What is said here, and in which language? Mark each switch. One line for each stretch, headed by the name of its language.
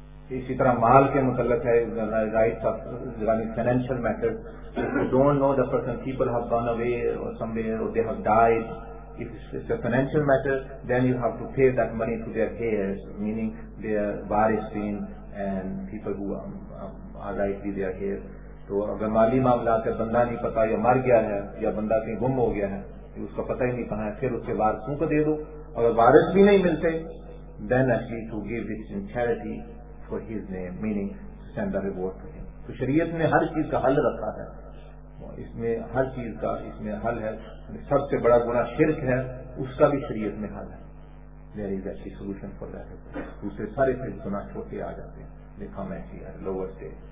Urdu: اسی طرح مال کے متعلق ہے,
English: Rights of یعنی financial matter, don't know the person, people have gone away or somewhere or they have died, if it's a financial matter then you have to pay that money to their heirs, meaning their varisin and people who are likely their heirs.
Urdu: تو اگر مالی معاملات کا بندہ نہیں پتا یا مر گیا ہے یا بندہ کہیں گم ہو گیا ہے اس کا پتہ ہی نہیں کہاں ہے, پھر اس کے وارثوں کو دے دو. اگر وارث بھی نہیں ملتے
English: then actually to give it in charity for his name, meaning send a reward to him.
Urdu: تو شریعت نے ہر چیز کا حل رکھا ہے, اس میں ہر چیز کا اس میں حل ہے. سب سے بڑا گناہ شرک ہے, اس کا بھی شریعت میں حل ہے.
English: There is actually solution for that.
Urdu: دوسرے سارے پھر گناہ چھوٹے آ جاتے ہیں, دیکھا میں کیا ہے لوور سے.